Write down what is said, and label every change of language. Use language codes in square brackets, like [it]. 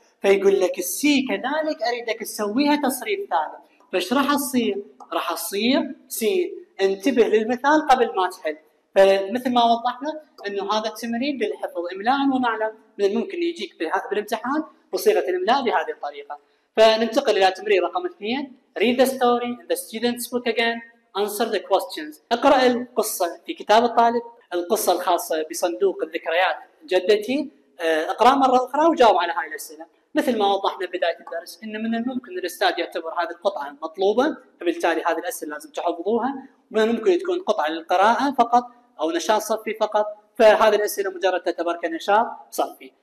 [ar] فيقول لك السي كذلك اريدك تسويها تصريف ثالث. فايش راح تصير؟ راح تصير سي. انتبه للمثال قبل ما تحل. فمثل ما وضحنا انه هذا التمرين للحفظ املاء ومعلم، من الممكن يجيك بالامتحان بصيغه الاملاء بهذه الطريقه. فننتقل الى تمرين رقم 2. [en] Read the story in the student's book again. Answer the questions. [ar] اقرا القصه في كتاب الطالب، القصه الخاصه بصندوق الذكريات جدتي، اقرا مره اخرى وجاوب على هاي الاسئله. مثل ما وضحنا بداية الدرس إن من الممكن الأستاذ يعتبر هذه القطعة مطلوبة، فبالتالي هذه الأسئلة لازم تحفظوها، ومن الممكن تكون قطعة للقراءة فقط أو نشاط صفي فقط، فهذه الأسئلة مجرد تعتبر كنشاط صفي.